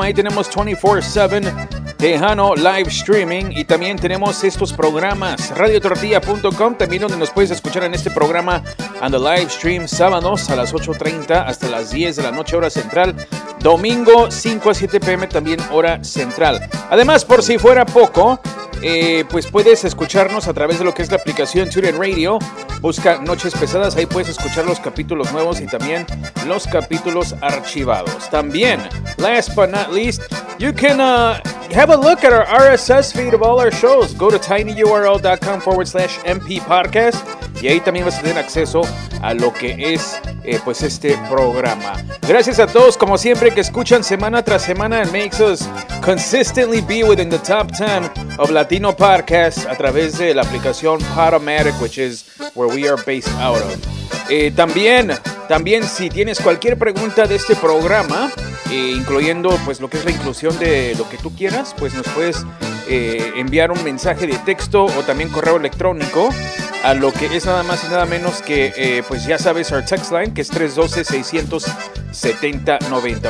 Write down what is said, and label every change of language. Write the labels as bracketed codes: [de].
[es] Ahí tenemos 24/7 Tejano Live Streaming y también tenemos estos programas, radiotortilla.com, también donde nos puedes escuchar en este programa [en] and the live stream [es] sábados a las 8:30 hasta las 10 de la noche, hora central. Domingo 5 a 7 p.m. también hora central. Además, por si fuera poco, pues puedes escucharnos a través de lo que es la aplicación TuneIn Radio. Busca Noches Pesadas, ahí puedes escuchar los capítulos nuevos y también los capítulos archivados. También, [en] last but not least, you can have a look at our RSS feed of all our shows. Go to [es] tinyurl.com/mppodcast y ahí también vas a tener acceso a lo que es pues este programa. Gracias a todos, como siempre, que escuchan semana tras semana. [en] It makes us consistently be within the top 10 of Latino podcasts [es] a través de la aplicación [en] Podomatic, which is where we are based out of. [es] También, si tienes cualquier pregunta de este programa, incluyendo pues lo que es la inclusión de lo que tú quieras, pues nos puedes enviar un mensaje de texto o también correo electrónico a lo que es nada más y nada menos que, pues ya sabes, [en] our text line, [es] que es 312-670-90.